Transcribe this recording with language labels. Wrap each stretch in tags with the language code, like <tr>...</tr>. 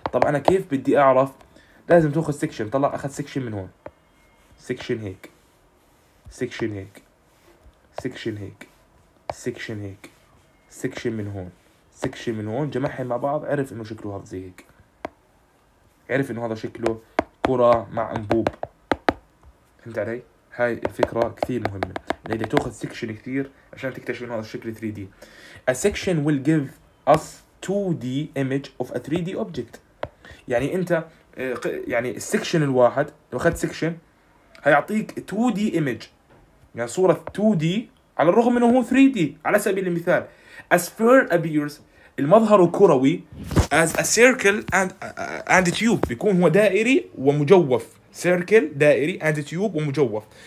<ar>طب أنا كيف بدي أعرف؟ لازم تاخذ سكشن، طلع أخذ سكشن من هون، سكشن هيك، سكشن هيك، سكشن هيك، سكشن هيك، سكشن من هون، سكشن من هون، جمعهم مع بعض عرف إنه شكله هذا زي هيك، عرف إنه هذا شكله كرة مع أنبوب. فهمت علي؟ هاي الفكرة كثير مهمة، لأنك بدك تاخذ سكشن كثير عشان تكتشف انه هذا الشكل 3D.</ar> <en>A section will give us 2D image of a 3D object.</en> <ar>يعني أنت يعني السكشن الواحد، لو أخذت سكشن هيعطيك 2D image، يعني صورة 2D على الرغم من أنه هو 3D. على سبيل المثال</ar> <en>A sphere appears،</en> <ar>المظهر الكروي،</ar> <en>as a circle and tube،</en> <ar>بيكون هو دائري ومجوف، circle دائري</ar> <en>and tube</en> <ar>ومجوف.</ar>